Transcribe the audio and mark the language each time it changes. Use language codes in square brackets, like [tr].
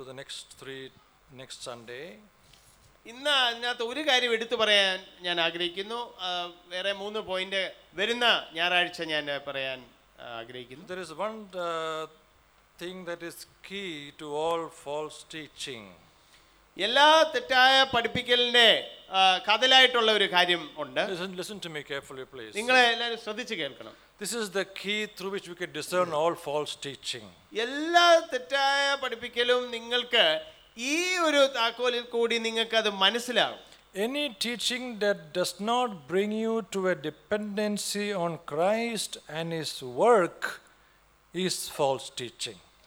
[en] See, I just want to present one truth today and we will move on to the next Sunday. [ml] ഇന്ന് അതിനകത്ത് ഒരു കാര്യം എടുത്തു പറയാൻ ഞാൻ ആഗ്രഹിക്കുന്നു. വേറെ മൂന്ന് പോയിന്റ് വരുന്ന ഞായറാഴ്ച ഞാൻ പറയാൻ ആഗ്രഹിക്കുന്നു. [en] There is one thing that is key to all false teaching. [ml] എല്ലാ തെറ്റായ പഠിപ്പിക്കലിന്റെ കഥലായിട്ടുള്ള ഒരു കാര്യം ഉണ്ട്. [en] Listen to me carefully please. [ml] നിങ്ങൾ എല്ലാവരും ശ്രദ്ധിച്ചു കേൾക്കണം. [en] This is the key through which we can discern all false teaching. [ml] എല്ലാ തെറ്റായ പഠിപ്പിക്കലും നിങ്ങൾക്ക് ഈ ഒരു താക്കോലിൽ കൂടി നിങ്ങൾക്ക് അത് മനസ്സിലാകും. [en] Any teaching that does not bring you to a dependency on Christ and his work is false teaching.